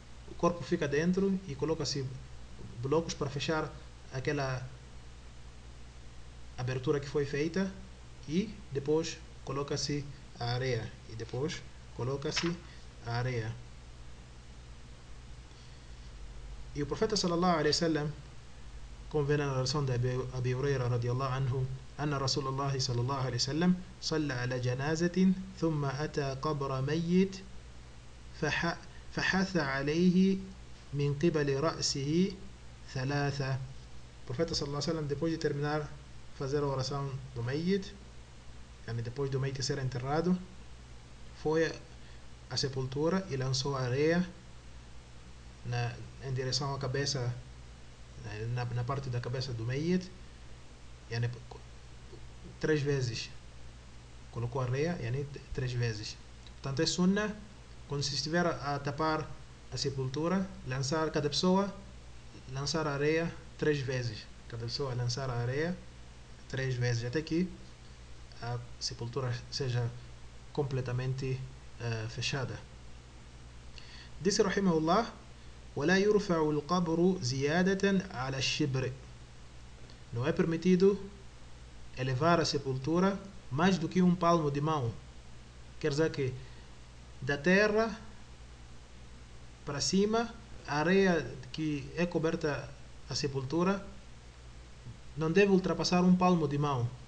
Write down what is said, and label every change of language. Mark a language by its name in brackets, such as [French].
[Portuguese] O corpo fica dentro e coloca-se blocos para fechar aquela abertura que foi feita, e depois coloca-se a areia. E depois coloca-se a areia. E o profeta sallallahu alaihi wasallam, como vem na narração de Abi Huraira radiallahu anhu, [Arabic] أن رسول الله صلى الله عليه وسلم صلى على جنازة ثم أتى قبر ميت فحث عليه من قبل رأسه ثلاثة. [Portuguese] Profeta صلى الله عليه وسلم, depois de terminar fazer a oração do meyyit, depois do meyyit ser enterrado, foi à sepultura e lançou a areia em direção à cabeça, na parte da cabeça do meyyit, 3 vezes. Colocou a areia, 3 vezes. Portanto, é sunna, quando se estiver a tapar a sepultura, lançar cada pessoa, lançar a areia 3 vezes. Cada pessoa lançar a areia 3 vezes, até que a sepultura seja completamente fechada. Disse rahimahullah, [Arabic] وَلَا يُرْفَعُ الْقَبْرُ زِيَادَةً عَلَى الشِّبْرِ. [Portuguese] Não é permitido elevar a sepultura mais do que um palmo de mão. Quer dizer que da terra para cima, a areia que é coberta a sepultura não deve ultrapassar um palmo de mão.